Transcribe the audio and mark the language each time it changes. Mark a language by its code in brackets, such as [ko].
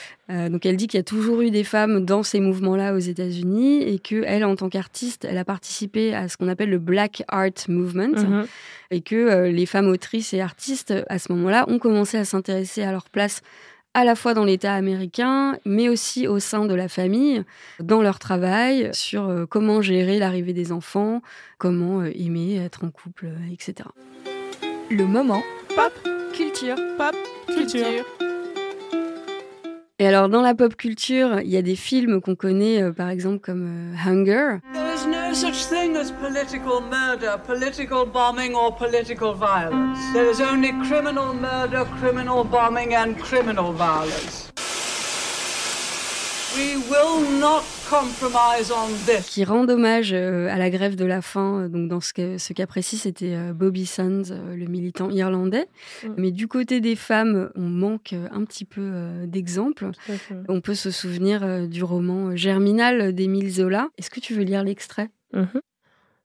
[fr] Donc elle dit qu'il y a toujours eu des femmes dans ces mouvements-là aux États-Unis et qu'elle, en tant qu'artiste, elle a participé à ce qu'on appelle le Black Art Movement et que les femmes autrices et artistes, à ce moment-là, ont commencé à s'intéresser à leur place à la fois dans l'État américain, mais aussi au sein de la famille, dans leur travail, sur comment gérer l'arrivée des enfants, comment aimer, être en couple, etc. Le moment pop culture. Pop culture. Et alors, dans la pop culture, il y a des films qu'on connaît, par exemple, comme Hunger. [en] There's no such thing as political murder, political bombing or political violence. There's only criminal murder, criminal bombing and criminal violence. We will not compromise on this. [fr] Qui rendent hommage à la grève de la faim. Donc, dans ce cas précis, c'était Bobby Sands, le militant irlandais. Mais du côté des femmes, on manque un petit peu d'exemples. On peut se souvenir du roman Germinal d'Émile Zola. Est-ce que tu veux lire l'extrait ?